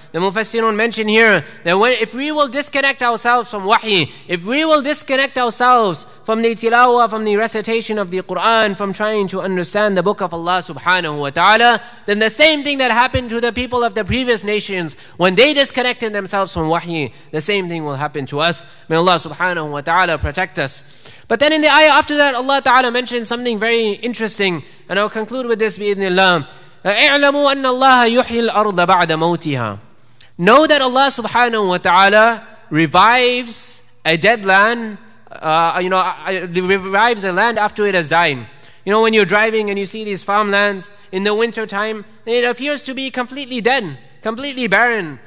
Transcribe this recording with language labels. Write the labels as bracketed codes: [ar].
[en] The Mufassirun mention here that if we will disconnect ourselves from wahi, if we will disconnect ourselves from the tilawah, from the recitation of the Qur'an, from trying to understand the book of Allah subhanahu wa ta'ala, then the same thing that happened to the people of the previous nations, when they disconnected themselves from wahi, the same thing will happen to us. May Allah subhanahu wa ta'ala protect us. But then in the ayah after that, Allah ta'ala mentions something very interesting, and I'll conclude with this bi'idhnillah. [ar] اعلموا أن الله يحيي الأرض بعد موتها. [en] Know that Allah subhanahu wa ta'ala revives a dead land, revives a land after it has died. You know, when you're driving and you see these farmlands in the winter time, it appears to be completely dead, completely barren.